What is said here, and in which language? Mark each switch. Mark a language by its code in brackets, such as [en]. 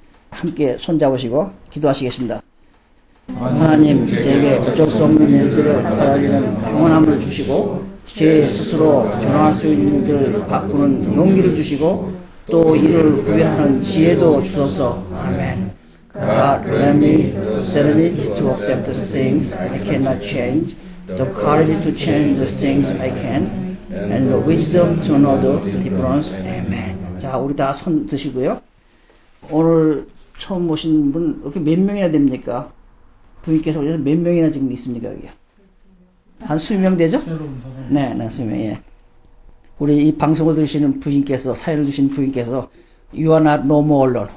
[ko] 함께 손 잡으시고 기도하시겠습니다. 하나님, 제게 어쩔 수 없는 일들을 받아들이는 평온함을 주시고, 제 스스로 변화할 수 있는 일들을 바꾸는 용기를 주시고, 또 이를 구별하는 지혜도 주소서. 아멘. [en] God, grant me serenity to accept the things I cannot change, the courage to change the things I can, and the wisdom to know the difference. [ko] Amen. 자, 우리 다 손 드시고요. 오늘 처음 오신 분, 이렇게 몇 명이나 됩니까? 부인께서 오셔서 몇 명이나 지금 있습니까, 여기? 한 20명 되죠? 네, 한 20명, 예. 우리 이 방송을 들으시는 부인께서, 사연을 주신 부인께서, [en] You are not no more alone.